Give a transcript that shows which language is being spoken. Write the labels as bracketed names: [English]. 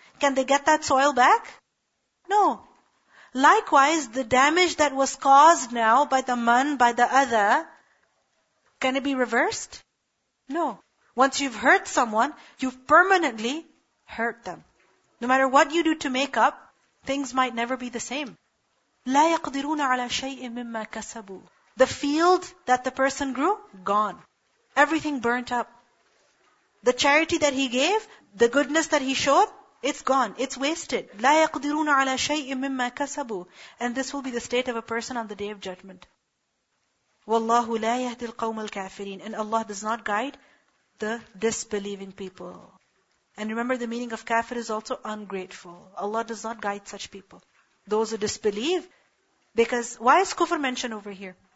[English] Can they get that soil back? No. Likewise, the damage that was caused now by the man, by the other, can it be reversed? No. Once you've hurt someone, you've permanently hurt them. No matter what you do to make up, things might never be the same. [Arabic] لا يقدرون على شيء مما كسبوا. [English] The field that the person grew, gone. Everything burnt up. The charity that he gave, the goodness that he showed, it's gone. It's wasted. [Arabic] لا يقدرون على شيء مما كسبوا. [English] And this will be the state of a person on the Day of Judgment. [Arabic] وَاللَّهُ لَا يَهْدِي الْقَوْمَ الْكَافِرِينَ. [English] And Allah does not guide the disbelieving people. And remember, the meaning of kafir is also ungrateful. Allah does not guide such people. Those who disbelieve. Because why is kufr mentioned over here?